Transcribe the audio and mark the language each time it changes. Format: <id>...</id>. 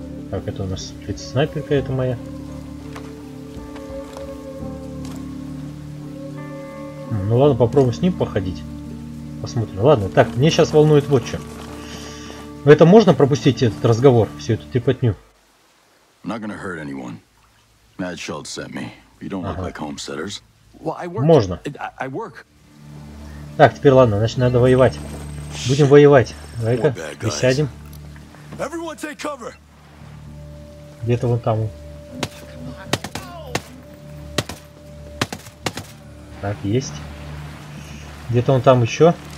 <ru>Так, это у нас спецснайперка, это моя. Ну ладно, попробуем с ним походить. Посмотрим. Ладно, так, мне сейчас волнует вот что. Это можно пропустить этот разговор, всю эту трепотню?</ru> <en>I'm not gonna hurt anyone. Mad Schultz sent me. You don't look like homesteaders. Well, I work.</en> <ru>Можно.</ru> <en>I work.</en> <ru>Так, теперь ладно, значит, надо воевать. Будем воевать. Давай-ка присядем.</ru> <en>Everyone take cover.</en> <ru>Где-то вон там. Так, есть. Где-то он там еще.</ru>